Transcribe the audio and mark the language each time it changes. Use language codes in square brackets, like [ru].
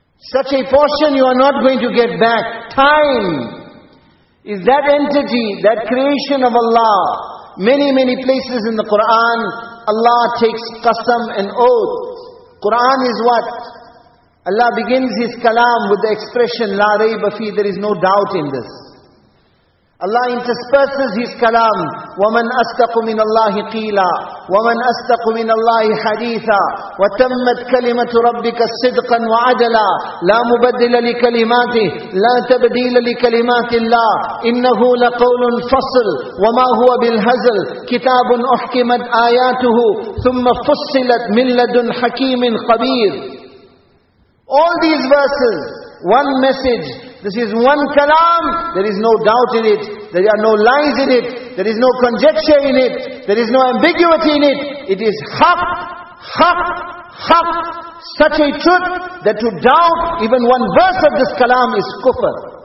[en] Such a portion you are not going to get back. Time is that entity, that creation of Allah. Many, many places in the Quran, Allah takes qasam and oath. Quran is what? Allah begins His kalam with the expression, La rayba fi, there is no doubt in this. Allah intersperses His kalam. [ar] وَمَنْ أَسْتَقُ مِنَ اللَّهِ قِيلًا وَمَنْ أَسْتَقُ مِنَ اللَّهِ حَدِيثًا وَتَمَّتْ كَلِمَةُ رَبِّكَ صِدْقًا وَعَدَلًا لَا مُبَدِّلَ لِكَلِمَاتِهِ لَا تَبْدِيلَ لِكَلِمَاتِ اللَّهِ إِنَّهُ لَقَوْلٌ فَصْلٌ وَمَا هُوَ بِالْهَزْلِ كِتَابٌ أُحْكِمَتْ آيَاتُهُ ثُمَّ فُصِّلَتْ مِنْ لَدُنْ حَكِيمٍ خَبِيرٍ [en] All these verses, one message. This is one kalam, there is no doubt in it, there are no lies in it, there is no conjecture in it, there is no ambiguity in it. It is haq, haq, haq, such a truth that to doubt even one verse of this kalam is kufr.